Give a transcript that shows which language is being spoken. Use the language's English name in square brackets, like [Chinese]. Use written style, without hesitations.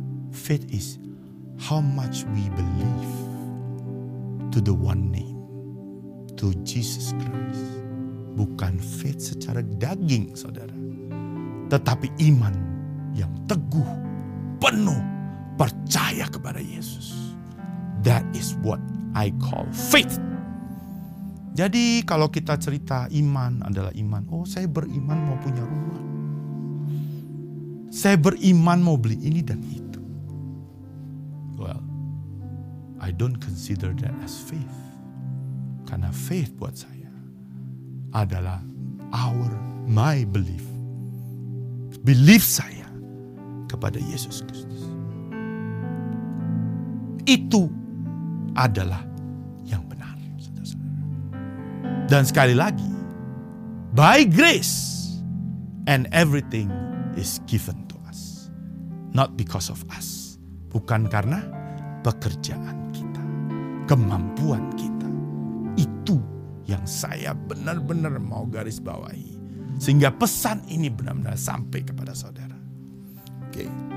[English] Faith is how much we believe to the one name, to Jesus Christ. [Indonesian] Bukan faith secara daging, saudara. Tetapi iman yang teguh, penuh, percaya kepada Yesus. [English] That is what I call faith. [Indonesian] Jadi kalau kita cerita iman adalah iman. Oh, saya beriman mau punya rumah. Saya beriman mau beli ini dan itu. [English] Well, I don't consider that as faith. [Indonesian] Karena faith buat saya adalah [English] my belief [Indonesian] belief saya kepada Yesus Kristus. Itu adalah yang benar. Dan sekali lagi, [English] by grace and everything is given to us. Not because of us. [Indonesian] Bukan karena pekerjaan kita, kemampuan kita. Itu yang saya benar-benar mau garis bawahi. Sehingga pesan ini benar-benar sampai kepada saudara. Oke.